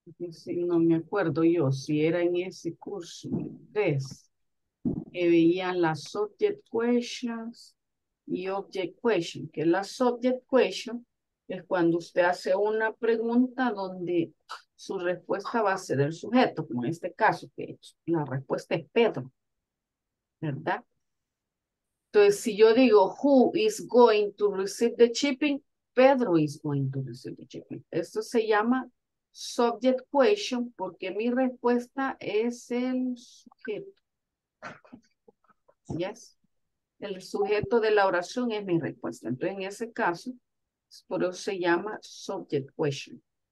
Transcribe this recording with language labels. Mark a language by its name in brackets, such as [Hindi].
[Spanish] Sí, no me acuerdo yo si era en ese curso 3 que veían las subject questions y object question, que la subject question es cuando usted hace una pregunta donde su respuesta va a ser el sujeto, como en este caso, que la respuesta es Pedro, ¿verdad? Entonces, si yo digo, [English] who is going to receive the shipping, Pedro is going to receive the shipping. [Spanish] Esto se llama subject question, porque mi respuesta es el sujeto. [English] Yes. [Spanish] El sujeto de la oración es mi respuesta. Entonces, en ese caso, por eso se llama subject question.